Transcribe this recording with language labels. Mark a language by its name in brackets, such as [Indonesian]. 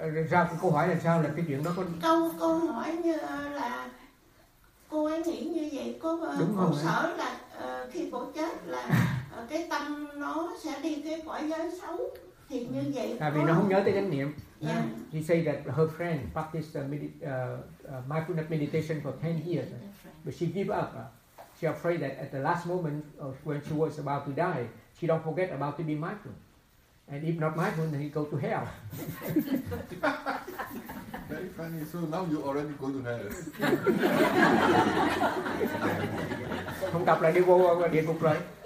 [Vietnamese] ra câu hỏi là sao, là cái chuyện đó có câu hỏi như là cô ấy nghĩ như vậy, cô sợ là khi cô chết là cái tâm nó sẽ đi cái cõi giới xấu, thì như vậy tại vì nó không nhớ tới chánh niệm. [English] She said that her friend practiced mindfulness meditation for 10 years, but she gave up. She afraid that at the last moment of when she was about to die, she don't forget about to be mindful. And if not mindful, then he go to hell. Very funny. So now you already go to hell. [Vietnamese] Không tập lại đi vô địa ngục rồi.